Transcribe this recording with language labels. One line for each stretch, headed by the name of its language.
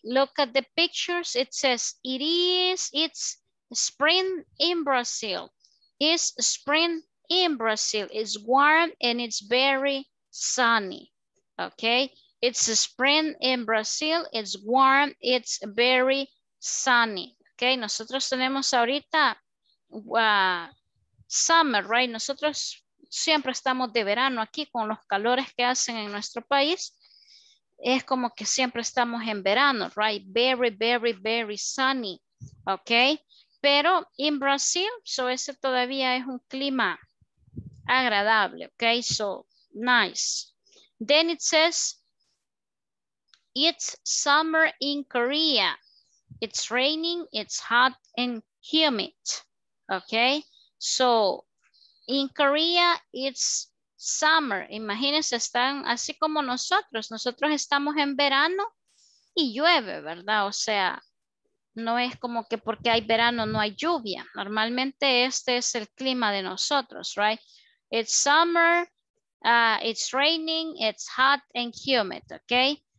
English: Look at the pictures, it says it's spring in Brazil. It's spring in Brazil. It's warm and it's very sunny, okay? It's spring in Brazil, it's warm, it's very sunny.
Spanish: Okay, nosotros tenemos ahorita summer, right? Nosotros siempre estamos de verano aquí con los calores que hacen en nuestro país. Es como que siempre estamos en verano, right?
English: Very, very, very sunny, okay?
Spanish: Pero
English: in Brazil,
Spanish: so ese todavía es un clima agradable, okay?
English: So, nice. Then it says, it's summer in Korea. It's raining, it's hot and humid. Okay, so in Korea it's summer.
Spanish: Imagínense, están así como nosotros. Nosotros estamos en verano y llueve, ¿verdad? O sea, no es como que porque hay verano no hay lluvia. Normalmente este es el clima de nosotros, right?
English: It's summer, it's raining, it's hot and humid, okay?